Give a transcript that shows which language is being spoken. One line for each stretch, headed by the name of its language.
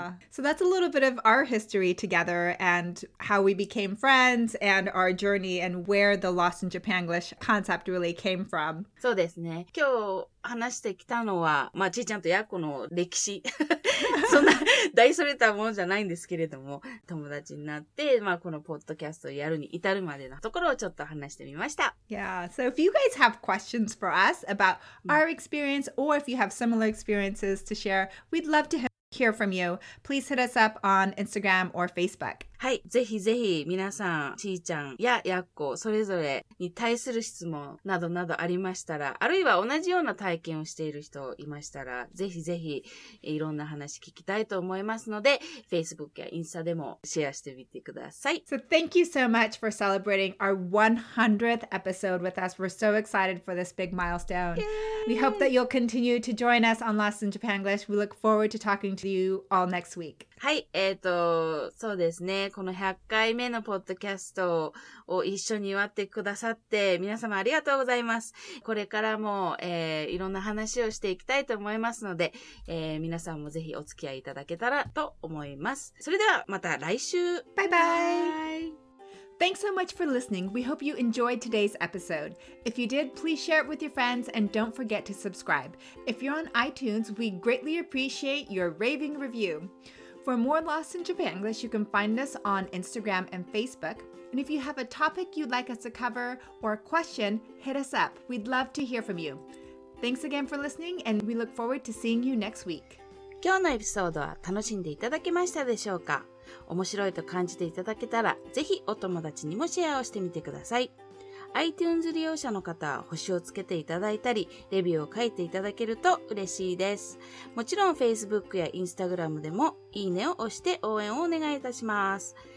English: So that's a little bit of our history together and how we became friends and our journey and where the Lost in Japanglish concept really came from.
Japanese: そうですね。今日話してきたのは、まあ、ちーちゃんとヤコの歴史。そんな大それたものじゃないんですけれども、友達になって、まあ、このポッドキャストをやるに至るまでのところをちょっと話してみました。
English: Yeah. So if you guys have questions for us about our experience or if you have similar experiences to share, we'd love to hear from you. Please hit us up on Instagram or Facebook.
Japanese: はい、ぜひぜひ皆さん、ちーちゃんやヤッコそれぞれに対する質問などなどありましたら、あるいは同じような体験をしている人いましたら、ぜひぜひいろんな話聞きたいと思いますので、Facebook やインスタでもシェアしてみてください。
English: So thank you so much for celebrating our 100th episode with us. We're so excited for this big milestone. We hope that you'll continue to join us on Lost in Japanglish. We look forward to talking to you all next week.
Japanese: はい、そうですね。この100回目のポッドキャストを一緒に祝ってくださって、皆様ありがとうございます。これからも、いろんな話をしていきたいと思いますので、皆さんもぜひお付き合いいただけたらと思います。それではまた来週。バイバイ。
English: Thanks so much for listening. We hope you enjoyed today's episode. If you did, please share it with your friends and don't forget to subscribe. If you're on iTunes, we greatly appreciate your raving review. For more Lost in Japan English, you can find us on Instagram and Facebook. And if you have a topic you'd like us to cover or a question, hit us up. We'd love to hear from you. Thanks again for listening and we look forward to seeing you next week.
Japanese: 今日のエピソードは楽しんでいただけましたでしょうか?面白いと感じていただけたら、ぜひお友達にもシェアをしてみてください。 iTunes 利用者の方は星をつけていただいたり、レビューを書いていただけると嬉しいです。もちろん Facebook や Instagram でもいいねを押して応援をお願いいたします。